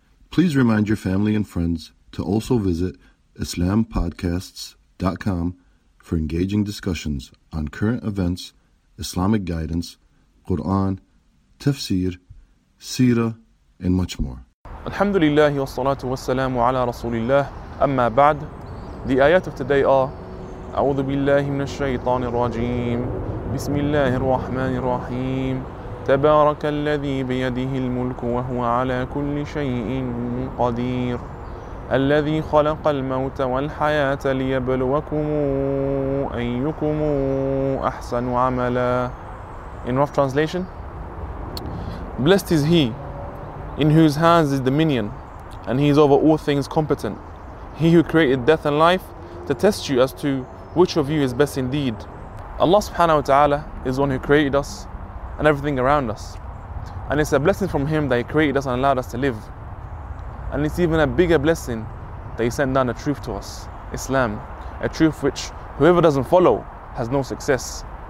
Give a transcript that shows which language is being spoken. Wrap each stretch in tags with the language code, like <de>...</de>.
<en>Please remind your family and friends to also visit IslamPodcasts.com for engaging discussions on current events, Islamic guidance, Quran, tafsir, seerah, and much more.</en> <ar>الحمد لله والصلاة والسلام على رسول الله أما بعد</ar> <en>The ayat of today are</en> <ar>أعوذ بالله من الشيطان الرجيم بسم الله الرحمن الرحيم تبارك الذي بيده الملك وهو على كل شيء قدير الذي خلق الموت والحياة ليبلوكم أيكم أحسن عملا</ar> <en>In rough translation Blessed is he in whose hands is dominion, and he is over all things competent. He who created death and life to test you as to which of you is best indeed. Allah subhanahu wa ta'ala is the one who created us and everything around us. And it's a blessing from him that he created us and allowed us to live. And it's even a bigger blessing that he sent down a truth to us, Islam, a truth which whoever doesn't follow has no success.</en>